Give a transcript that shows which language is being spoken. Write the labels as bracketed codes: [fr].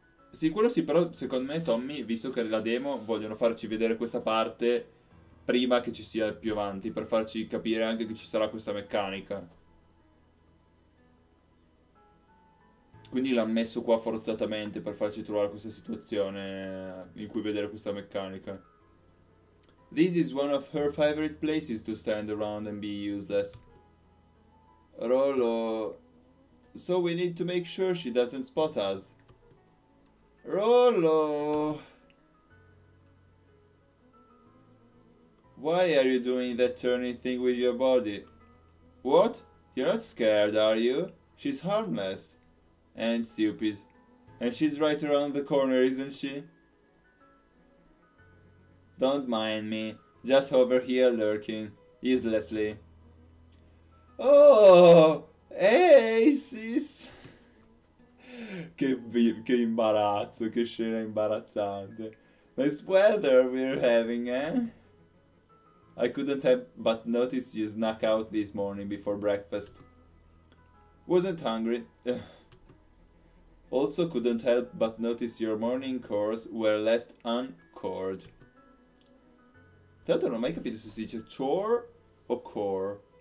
[it] Sì, quello sì, però secondo me Tommy, visto che è la demo, vogliono farci vedere questa parte prima che ci sia più avanti, per farci capire anche che ci sarà questa meccanica. Quindi l'ha messo qua forzatamente per farci trovare questa situazione in cui vedere questa meccanica. [en] This is one of her favorite places to stand around and be useless. Rolo. So we need to make sure she doesn't spot us. Rolo. Why are you doing that turning thing with your body? What? You're not scared, are you? She's harmless. And stupid. And she's right around the corner, isn't she? Don't mind me. Just over here lurking. Uselessly. Oh! Hey, sis! [it] Che imbarazzo, che scena imbarazzante. [en] Nice weather we're having, eh? I couldn't have but noticed you snuck out this morning before breakfast. Wasn't hungry. Also couldn't help but notice your morning chores were left uncored. [it] Tanto non ho mai capito se si dice chore o core.